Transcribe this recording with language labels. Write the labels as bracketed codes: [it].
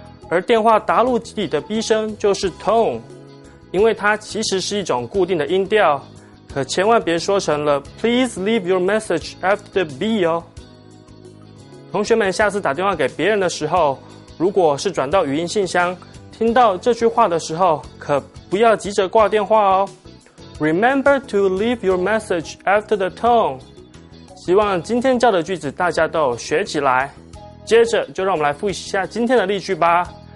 [zh] 而电话答录机里的 B 声就是 tone， 因为它其实是一种固定的音调，可千万别说成了 [en] Please leave your message after the B [zh] 哦。同学们下次打电话给别人的时候，如果是转到语音信箱，听到这句话的时候，可不要急着挂电话哦。 [en] Remember to leave your message after the tone. [zh] 希望今天教的句子大家都有学起来。接着就让我们来复习一下今天的例句吧。